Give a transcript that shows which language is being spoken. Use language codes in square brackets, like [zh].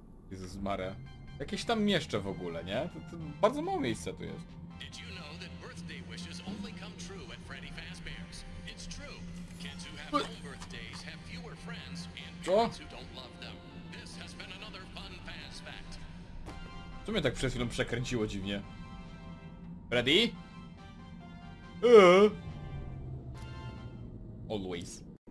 [pl] Jezus Maria. Jakieś tam mieszcze w ogóle, nie? To bardzo mało miejsca tu jest. [en] Did you know that birthday wishes only come true at Freddy Fazbear's? It's true. Kids who have home birthdays have fewer friends and kids who don't love them. This has been another fun fast fact. [pl] Co mnie tak przed chwilą przekręciło dziwnie? [en] Freddy? Always.